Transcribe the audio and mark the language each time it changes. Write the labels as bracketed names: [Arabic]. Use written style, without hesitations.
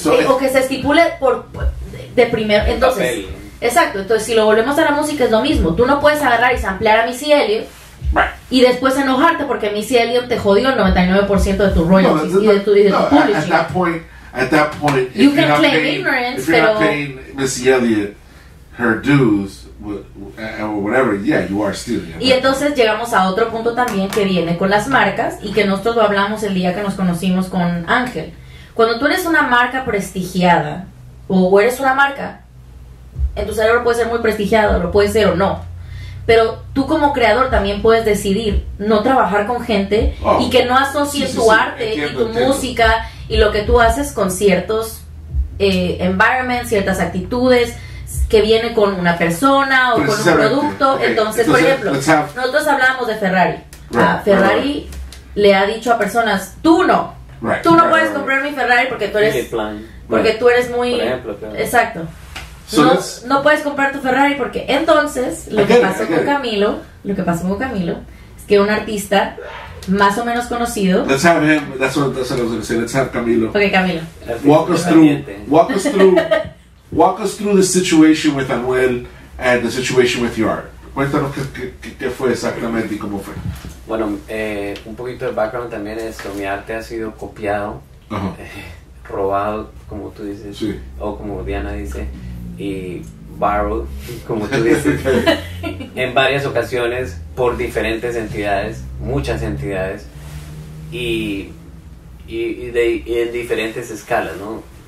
[Spanish] So, o que se estipule por de primero. Entonces, papel. Exacto. Entonces, si lo volvemos a la música, es lo mismo. Tú no puedes agarrar y samplear a Missy Elliott y después enojarte porque Missy Elliott te jodió el 99% de tus royalties y de tu publishing. [English] At that point, you can claim ignorance, if you're not paying Missy Elliott her dues, or whatever, yeah, you are stealing. [Spanish] Y entonces llegamos a otro punto también que viene con las marcas y que nosotros lo hablamos el día que nos conocimos con Ángel. Cuando tú eres una marca prestigiada o eres una marca, en tu cerebro puede ser muy prestigiado, lo puede ser o no. Pero tú como creador también puedes decidir no trabajar con gente y que no asocie arte música y lo que tú haces con ciertos environments, ciertas actitudes que viene con una persona o con un producto. Okay. Entonces, por ejemplo, nosotros hablábamos de Ferrari. Right, Ferrari le ha dicho a personas, tú no puedes comprar mi Ferrari porque tú eres muy... Por ejemplo, claro. Exacto. So no puedes comprar tu Ferrari porque entonces lo que pasó con Camilo es que un artista más o menos conocido... [English] Let's have him. That's what I was going to say. Let's have Camilo. Okay, Camilo. Walk us through the situation with Anuel and the situation with your art. [Spanish] Cuéntanos qué fue exactamente y cómo fue. Bueno, un poquito de background también es que mi arte ha sido copiado, robado, como tú dices, sí. O como Diana dice, y borrowed, como tú dices, en varias ocasiones por diferentes entidades, muchas entidades, y en diferentes escalas, ¿no?